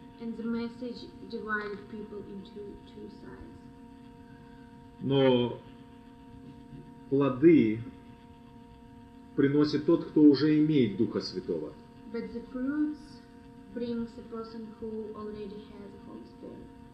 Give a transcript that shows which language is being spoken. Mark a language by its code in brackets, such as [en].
[en] And the message divided people into two sides. [ru] Но плоды приносит тот, кто уже имеет Духа Святого. [en] But the fruits brings a person who already has a Holy Spirit.